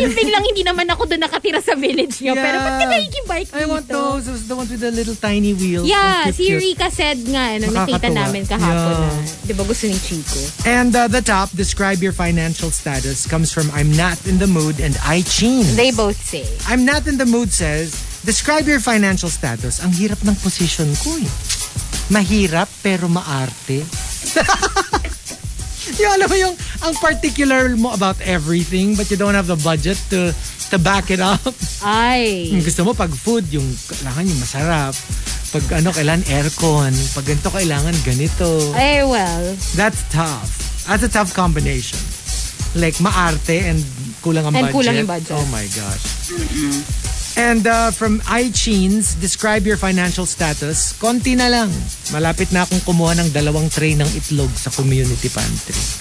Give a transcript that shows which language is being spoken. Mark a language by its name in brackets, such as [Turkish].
[Filipino] Yung biglang hindi naman ako doon nakatira sa village niyo. Yeah. Pero pati na yung bike dito. [English] I want those. Those the ones with the little tiny wheels. [Filipino] Yeah, si Rica said nga, ano, nakita namin kahapon na. Diba gusto ni Chico? [English] And the top, describe your financial status, comes from I'm Not in the Mood and I Chin. They both say. I'm Not in the Mood says, describe your financial status. [Filipino] Ang hirap ng position ko eh. Mahirap pero maarte. Yung alam mo yung ang particular mo [English] about everything but you don't have the budget to back it up. Ay. [Filipino] Gusto mo pag food yung kailangan yung masarap. Pag ano kailangan aircon. Pag ganito kailangan ganito. [English] Ay, well. That's tough. That's a tough combination. [Filipino] Like maarte and kulang ang [English] and budget. [Filipino] And kulang yung budget. [English] Oh my gosh. And from iChains, describe your financial status. [Filipino] Konti na lang. Malapit na akong kumuha ng dalawang tray ng itlog sa community pantry.